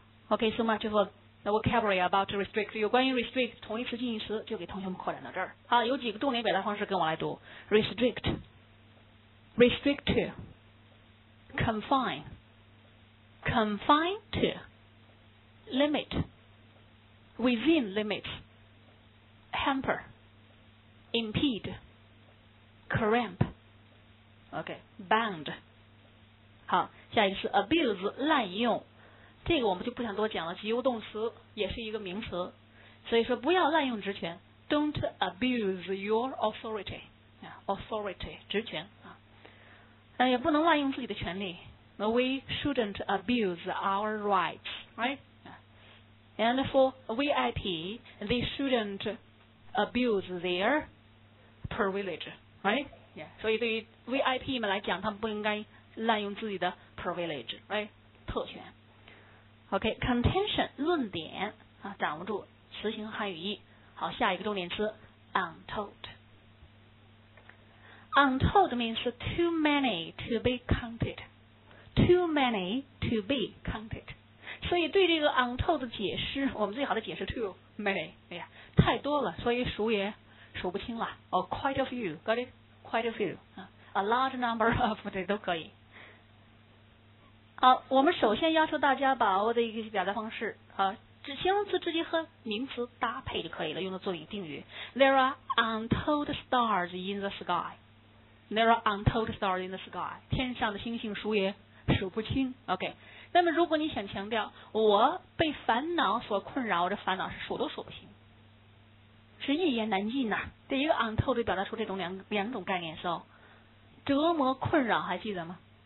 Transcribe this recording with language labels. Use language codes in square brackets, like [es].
[en] OK, so much for the vocabulary about restrict. [zh] 有关于 restrict 同义词近义词就给同学们扩展到这儿。好，有几个重点表达方式跟我来读 restrict, restrict to, confine, confine to, limit, within limits, hamper, impede, cramp, OK, bound. 好，下一个是 abuse, 滥用，这个我们就不想多讲了，及物动词也是一个名词，所以说不要滥用职权， [en] don't abuse your authority, [zh] authority 职权啊，也不能滥用自己的权利， [en] we shouldn't abuse our rights, right? And for VIP, they shouldn't abuse their privilege, right? Yeah. [zh] 所以对于 VIP 们来讲，他们不应该滥用自己的 privilege, right? 特权。 OK, contention, 论点啊，掌握住词形和汉语义。好，下一个重点词 untold. [en] Untold means too many to be counted. Too many to be counted. [zh] 所以对这个 untold 的解释，我们最好的解释 too many, 哎呀，太多了，所以数也数不清了。 [en] Oh, quite a few, got it? Quite a few. A large number of, [zh] 对，都可以。好，我们首先要求大家把握的一个表达方式啊，指形容词直接和名词搭配就可以了，用的作为定语。 [en] There are untold stars in the sky. There are untold stars in the sky. [zh] 天上的星星数也数不清。 [en] OK. [zh] 那么如果你想强调我被烦恼所困扰，我的烦恼是数都数不清，是一言难尽呐。对一个 untold 表达出这种两种概念的时候，折磨困扰还记得吗？